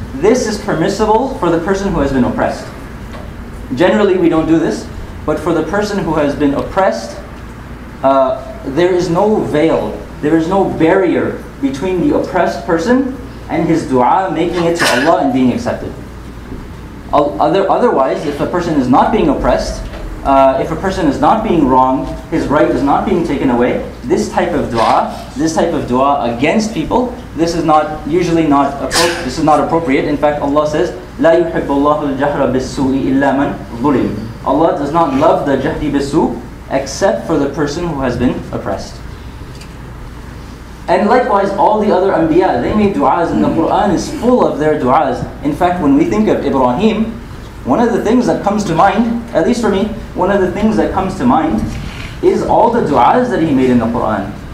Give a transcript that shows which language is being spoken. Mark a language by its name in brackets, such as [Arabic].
[English] This is permissible for the person who has been oppressed. Generally we don't do this, but for the person who has been oppressed, there is no veil, there is no barrier between the oppressed person and his dua making it to Allah and being accepted. Otherwise, if a person is not being oppressed, if a person is not being wronged, his right is not being taken away, this type of dua against people, this is not usually not appropriate. This is not appropriate. In fact, Allah says, [Arabic] لا يحب الله الجهر بالسوء إلا من ظلم. [English] Allah does not love the jahdi bisu except for the person who has been oppressed. And likewise, all the other anbiya, they made du'as, and the Qur'an is full of their du'as. In fact, when we think of Ibrahim, one of the things that comes to mind, at least for me, one of the things that comes to mind is all the du'as that he made in the Qur'an.